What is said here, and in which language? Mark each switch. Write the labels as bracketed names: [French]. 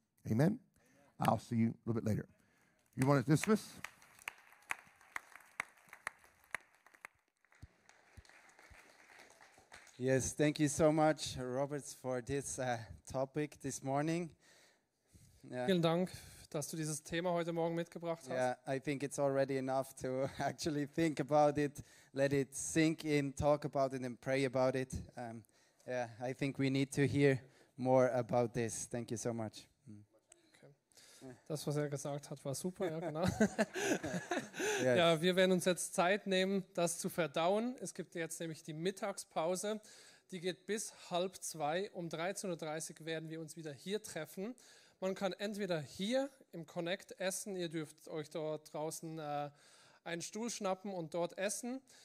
[English] Amen? I'll see you a little bit later. You want to dismiss? Yes, thank you so much, Roberts, for this topic this morning. [German] Vielen Dank, dass du dieses Thema heute Morgen mitgebracht hast. [English] Yeah, I think it's already enough to actually think about it, let it sink in, talk about it and pray about it. I think we need to hear more about this. Thank you so much. [German] Das, was er gesagt hat, war super, ja, genau. [English] Yes. [German] Ja, wir werden uns jetzt Zeit nehmen, das zu verdauen. Es gibt jetzt nämlich die Mittagspause, die geht bis 13:30. Um 13.30 Uhr werden wir uns wieder hier treffen. Man kann entweder hier im Connect essen, ihr dürft euch dort draußen einen Stuhl schnappen und dort essen.